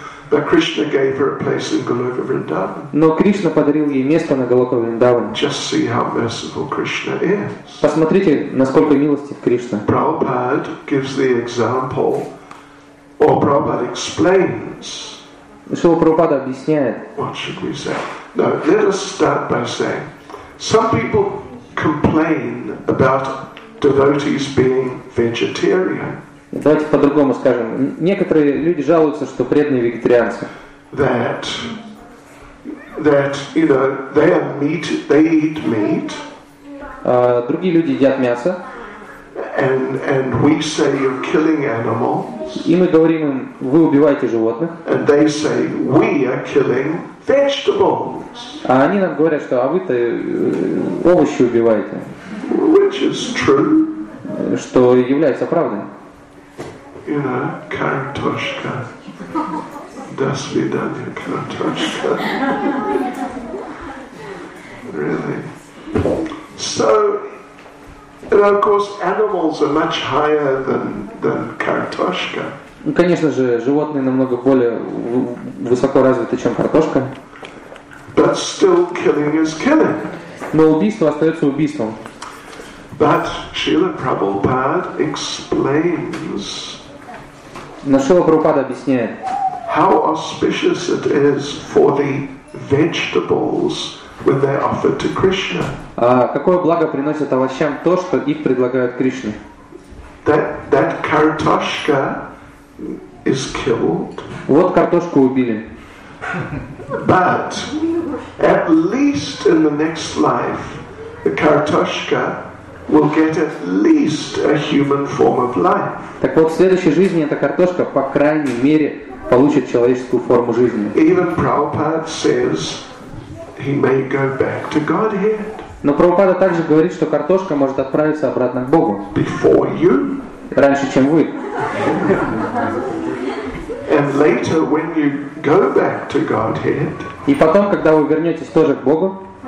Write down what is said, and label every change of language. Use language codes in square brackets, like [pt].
[en] But Krishna gave her a place in Goloka Vrindavan. [ru] Но Кришна подарил ей место на Голока Вриндаване. [en] Just see how merciful Krishna is. [ru] Посмотрите, насколько милостив Кришна. [en] Prabhupada gives the example, or Prabhupada explains. [ru] Что Прабхупада объясняет? [en] What should we say? No, let us start by saying, some people complain about devotees being vegetarian. [ru] Давайте по-другому скажем. Некоторые люди жалуются, что преданные вегетарианцы. [en] That you know, they eat meat. [ru] Другие люди едят мясо. [en] And we say you're killing animals. [ru] И мы говорим им, вы убиваете животных. [en] And they say we are killing vegetables. [ru] А они нам говорят, что а вы-то овощи убиваете. [en] Which is true. [ru] Что является правдой. [en] You know, картошка. [ru] До свидания, картошка. [en] Really. So. And of course, animals are much higher than картошка. [ru] Ну, конечно же, животные намного более высоко развиты, чем картошка. [en] But still, killing is killing. [ru] Но убийство остается убийством. [en] But Srila Prabhupada explains. [ru] Но Шрила Прабхупада объясняет. [en] How auspicious it is for the vegetables. When they offer to Krishna. [ru] А какое благо приносит овощам то, что их предлагают Кришне? [en] That картошка is killed. [ru] Вот картошку убили. [en] But at least in the next life, the картошка will get at least a human form of life. [ru] Так вот в следующей жизни эта картошка по крайней мере получит человеческую форму жизни. [en] Even Prabhupada says. He may go back to Godhead. [ru] Но Прабхупада также говорит, что картошка может отправиться обратно к Богу. [en] Before you. [ru] Раньше, чем вы. [en] And later, when you go back to Godhead. И потом, когда вы вернетесь тоже к Богу.